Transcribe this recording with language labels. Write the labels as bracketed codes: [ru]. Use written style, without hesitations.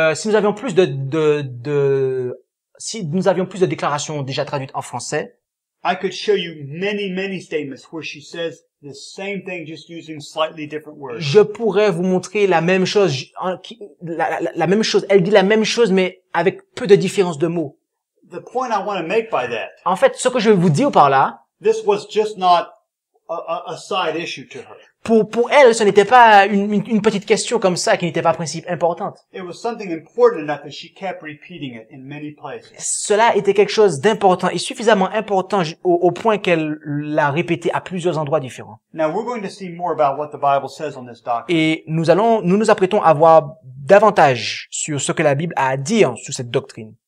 [fr] Si nous avions plus de si nous avions plus de déclarations déjà traduites en français. [en] I could show you many, many statements where she says the same thing, just using slightly different words. [fr] Je pourrais vous montrer la même chose, la même chose. Elle dit la même chose, mais avec peu de différence de mots. [en] The point I want to make by that. [fr] En fait, ce que je veux vous dire par là. [en] This was just not a side issue to her. [fr] Pour elle, ce n'était pas une petite question comme ça qui n'était pas principe importante. [en] It was something important enough that she kept repeating it in many places. [fr] Cela était quelque chose d'important et suffisamment important au point qu'elle l'a répété à plusieurs endroits différents. [en] Now we're going to see more about what the Bible says on this doctrine. [fr] Et nous apprêtons à voir davantage sur ce que la Bible a à dire sur cette doctrine.